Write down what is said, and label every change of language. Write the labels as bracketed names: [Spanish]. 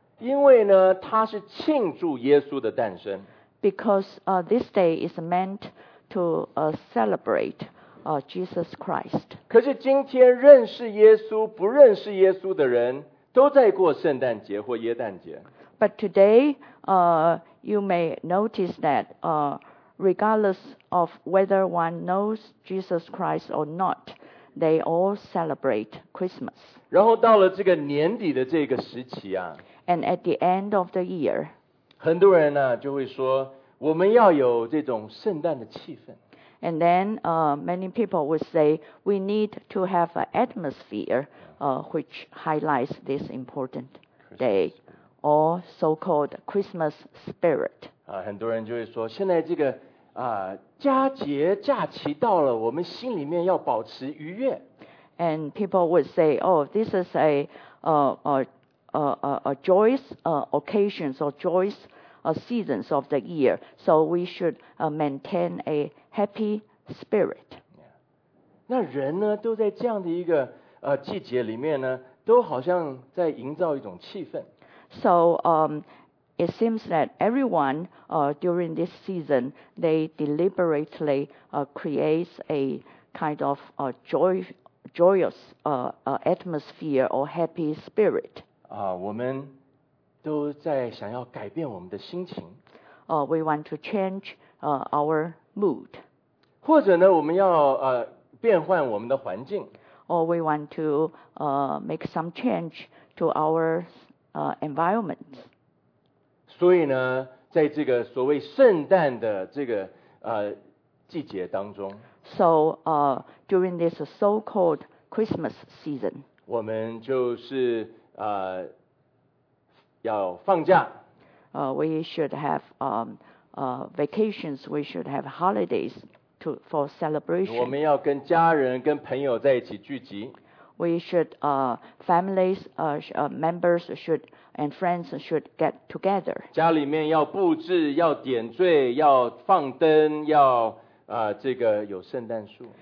[Chinese] 因为呢，它是庆祝耶稣的诞生。 [English] Because this day is meant to celebrate Jesus Christ. [Chinese] 可是今天认识耶稣、不认识耶稣的人都在过圣诞节或耶诞节。 [English] But today, you may notice that regardless of whether one knows Jesus Christ or not. They all celebrate Christmas. [Chinese] 然后到了这个年底的这个时期啊。 [English] And at the end of the year. [Chinese] 很多人呢就会说我们要有这种圣诞的气氛。 [English] And then many people would say we need to have an atmosphere which highlights this important day. Or so-called Christmas spirit. [Chinese] 很多人就会说现在这个佳节假期到了，我们心里面要保持愉悦。 [English] And people would say, "Oh, this is a joyous occasions or joyous seasons of the year. So we should maintain a happy spirit." Yeah. [Chinese] 那人呢，都在这样的一个季节里面呢，都好像在营造一种气氛。 [English] So it seems that everyone during this season, they deliberately create a kind of joyous atmosphere or happy spirit. [Chinese] 我们都在想要改变我们的心情。 [English] We want to change our mood. [Chinese] 或者呢，我们要变换我们的环境。 [English] Or we want to make some change to our environment. [Chinese] 所以呢，在这个所谓圣诞的这个季节当中。 [English] So during this so-called Christmas season. [Chinese] 我们就是要放假。 [English] We should have vacations. We should have holidays. For celebration. [Chinese] 我们要跟家人跟朋友在一起聚集。 [English] We should, families, members should, and friends should get together. [Chinese] 家里面要布置，要点缀，要放灯，要这个有圣诞树。